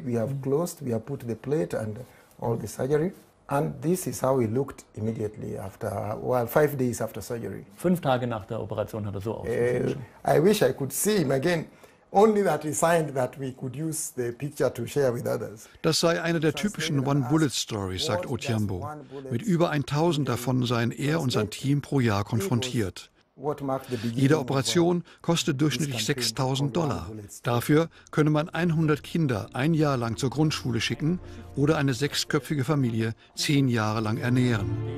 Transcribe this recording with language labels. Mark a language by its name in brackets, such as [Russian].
[English] We have closed, we have put the plate and all the surgery. And this is how he looked immediately after, well, 5 days after surgery. [German] 5 Tage nach der Operation hat er so ausgesehen. [English] I wish I could see him again. Only that he signed that we could use the picture to share with others. [German] Das sei eine der typischen One-Bullet-Stories, sagt Otyambo. Mit über 1000 davon seien er und sein Team pro Jahr konfrontiert. Jede Operation kostet durchschnittlich $6,000. Dafür könne man 100 Kinder ein Jahr lang zur Grundschule schicken oder eine sechsköpfige Familie 10 Jahre lang ernähren.